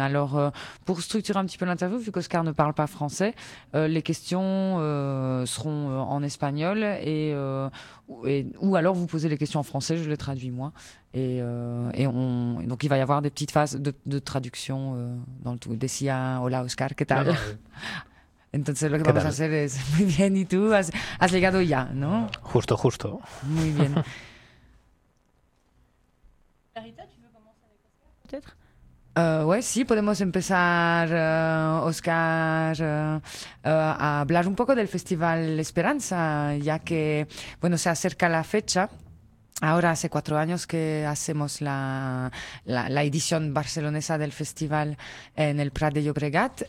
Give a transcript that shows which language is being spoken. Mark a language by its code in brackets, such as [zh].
[fr] Alors pour structurer un petit peu l'interview, vu qu'Oscar ne parle pas français, les questions seront en espagnol ou alors vous posez les questions en français, je les traduis moi. Donc il va y avoir des petites phases de traduction dans le tout. [es] Decía, hola Oscar, ¿qué tal? Entonces lo que vamos a hacer es muy bien y tú has llegado ya, ¿no? Justo, justo. Muy bien. [fr] Clarita, tu veux commencer avec Oscar, peut-être? [es] Sí, podemos empezar, Oscar, a hablar un poco del Festival Esperanza, ya que, bueno, se acerca la fecha. Ahora hace 4 años que hacemos la edición barcelonesa del festival en el Prat de Llobregat.